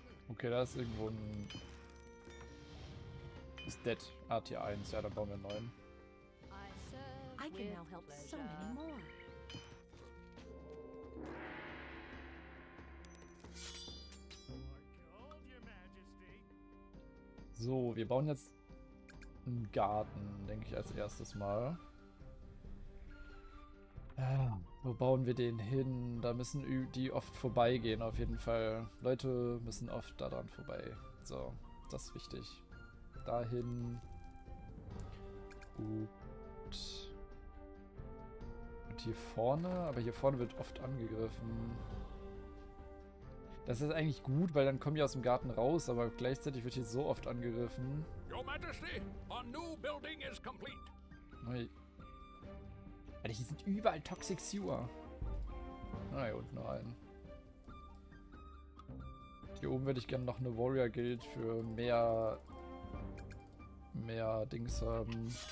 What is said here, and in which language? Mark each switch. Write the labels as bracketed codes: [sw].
[de] Okay, da ist irgendwo ein... Ist dead. Ah, Tier 1. Ja, dann bauen wir einen neuen. [en] I can now help so many more. [de] So, wir bauen jetzt einen Garten, denke ich, als erstes mal. Wo bauen wir den hin? Da müssen die oft vorbeigehen, auf jeden Fall. Leute müssen oft daran vorbei. So, das ist wichtig. Dahin. Gut. Und hier vorne? Aber hier vorne wird oft angegriffen. Das ist eigentlich gut, weil dann kommen die aus dem Garten raus, aber gleichzeitig wird hier so oft angegriffen. [en] Your Majesty, a new building is complete. [de] Neu. Alter, hier sind überall Toxic Sewer. Na ja, und nur einen. Hier oben würde ich gerne noch eine Warrior Guild für mehr Dings haben.